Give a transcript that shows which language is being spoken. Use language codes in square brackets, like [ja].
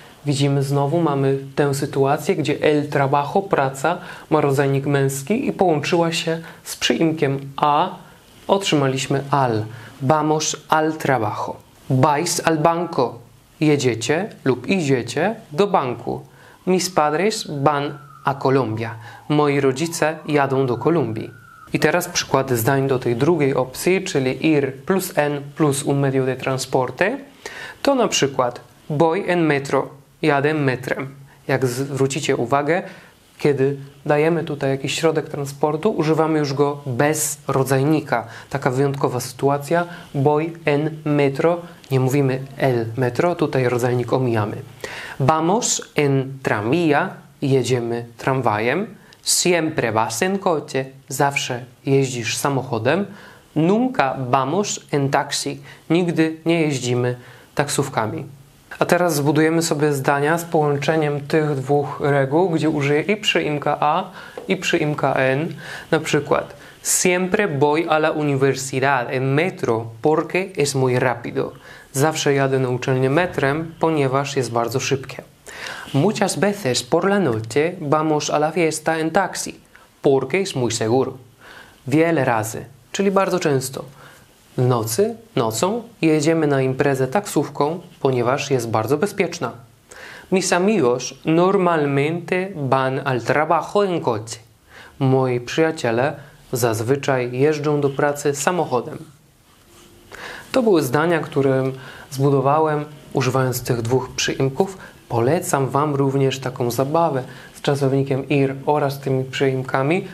[pl] Widzimy, znowu mamy tę sytuację, gdzie el trabajo, praca, ma rodzajnik męski i połączyła się z przyimkiem a. Otrzymaliśmy [es] al. Vamos al trabajo. Vais al banco. [pl] Jedziecie lub idziecie do banku. [es] Mis padres van a Colombia. [pl] Moi rodzice jadą do Kolumbii. I teraz przykłady zdań do tej drugiej opcji, czyli [es] ir plus en plus un medio de transporte. [pl] To na przykład [es] voy en metro. [pl] Jadę metrem. Jak zwrócicie uwagę, kiedy dajemy tutaj jakiś środek transportu, używamy już go bez rodzajnika. Taka wyjątkowa sytuacja. [es] Voy en metro. [pl] Nie mówimy el metro. Tutaj rodzajnik omijamy. [es] Vamos en tranvía. [pl] Jedziemy tramwajem. [es] Siempre vas en coche. [pl] Zawsze jeździsz samochodem. [es] Nunca vamos en taxi. [pl] Nigdy nie jeździmy taksówkami. A teraz zbudujemy sobie zdania z połączeniem tych dwóch reguł, gdzie użyję i przyimka a, i przyimka en. Na przykład [es] siempre voy a la universidad en metro porque es muy rápido. [pl] Zawsze jadę na uczelnię metrem, ponieważ jest bardzo szybkie. [es] Muchas veces por la noche vamos a la fiesta en taxi porque es muy seguro. [pl] Wiele razy, czyli bardzo często. W nocy, nocą, jedziemy na imprezę taksówką, ponieważ jest bardzo bezpieczna. [es] Mis amigos normalmente van al trabajo en coche. [pl] Moi przyjaciele zazwyczaj jeżdżą do pracy samochodem. To były zdania, które zbudowałem używając tych dwóch przyimków. Polecam Wam również taką zabawę z czasownikiem ir oraz tymi przyimkami.